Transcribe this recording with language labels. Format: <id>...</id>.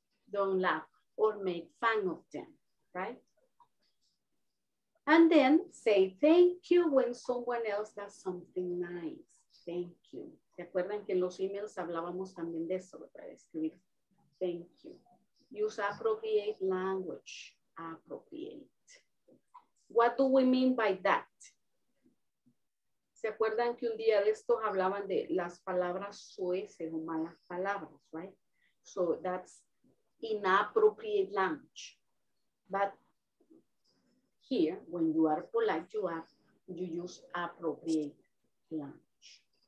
<en>Don't laugh or make fun of them, right? And then say thank you when someone else does something nice. Thank you.</en> <es>¿Se acuerdan que en los emails hablábamos también de eso para escribir?</es> <en>Thank you. Use appropriate language. Appropriate. What do we mean by that?</en> <es>¿Se acuerdan que un día de estos hablaban de las palabras sueces o malas palabras, right?</es> <en>So that's inappropriate language. But here, when you are polite, you use appropriate language.</en>